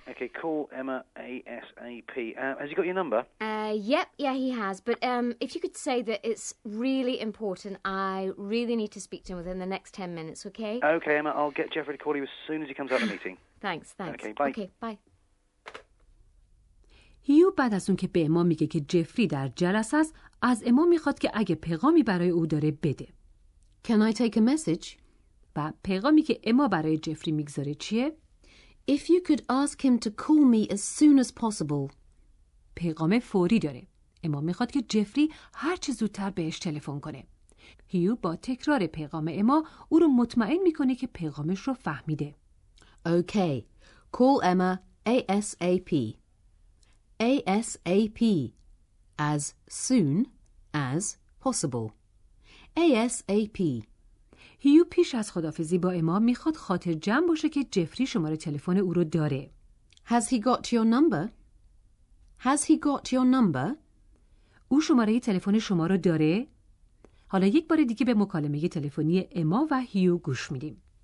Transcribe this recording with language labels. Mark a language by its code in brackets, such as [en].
[en] Okay, call Emma ASAP. Has he got your number? Yep, yeah, he has. But if you could say that it's really important, I really need to speak to him within the next 10 minutes, okay? Okay, Emma, I'll get Jeffrey to call you as soon as he comes out of the meeting. Thanks. Okay, bye. Okay, bye. [fa] هیو بعد از اون که به اما میگه که جفری در جلسه است، از اما میخواد که اگه پیغامی برای او داره بده. [en] Can I take a message? [fa] و پیغامی که اما برای جفری میگذاره چیه؟ [en] If you could ask him to call me as soon as possible. [fa] پیغام فوری داره. اما میخواد که جفری هر چه زودتر بهش تلفن کنه. هیو با تکرار پیغام اما او رو مطمئن میکنه که پیغامش رو فهمیده. [en] Okay. Call Emma ASAP. ASAP, as soon as possible. ASAP. [fa] هیو پیش از خدافزی با اما میخواد خاطر جمع باشه که جفری شماره تلفن او رو داره. [en] Has he got your number? Has he got your number? [fa] او شماره تلفن شما رو داره؟ حالا یک بار دیگه به مکالمه تلفنی اما و هیو گوش میدیم.